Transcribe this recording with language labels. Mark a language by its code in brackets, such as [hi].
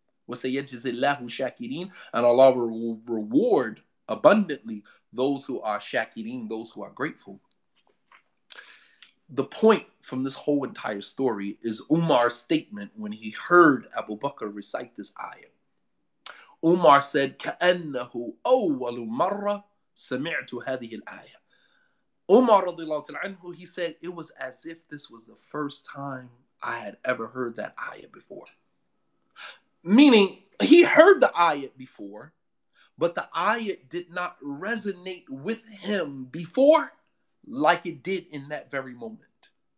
[ar] وَسَيَجْزِي اللَّهُ شَاكِرِينَ. [en] And Allah will reward abundantly those who are shakirin, those who are grateful. The point from this whole entire story is Umar's statement when he heard Abu Bakr recite this ayah. Umar said, [ar] كَأَنَّهُ أَوَّلُ مَرَّ سَمِعْتُ هَذِهِ الْآيَةِ. [en] Umar radiallahu anhu, he said, it was as if this was the first time I had ever heard that ayah before. Meaning, he heard the ayah before, But the ayat did not resonate with him before like it did in that very moment.